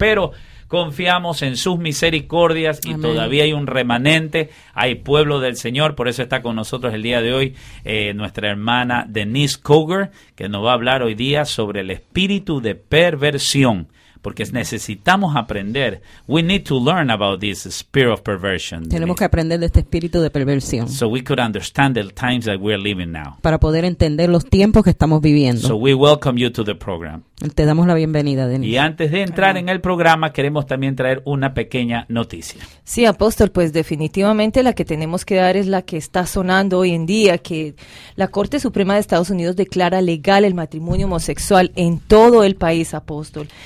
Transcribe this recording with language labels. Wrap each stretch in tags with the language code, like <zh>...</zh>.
<es>Pero confiamos en sus misericordias y todavía hay un remanente. Hay pueblo del Señor. Por eso está con nosotros el día de hoy nuestra hermana Denise Coger, que nos va a hablar hoy día sobre el espíritu de perversión. Porque necesitamos aprender.</es> <en>We need to learn about this spirit of perversion.</en> <es>Tenemos que aprender de este espíritu de perversión.</es> <en>So we could understand the times that we're living now.</en> <es>Para poder entender los tiempos que estamos viviendo.</es> <en>So we welcome you to the program.</en> <es>Te damos la bienvenida, Denise. Y antes de entrar en el programa, queremos también traer una pequeña noticia. Sí, apóstol, pues definitivamente la que tenemos que dar es la que está sonando hoy en día, que la Corte Suprema de Estados Unidos declara legal el matrimonio homosexual en todo el país, apóstol.</es>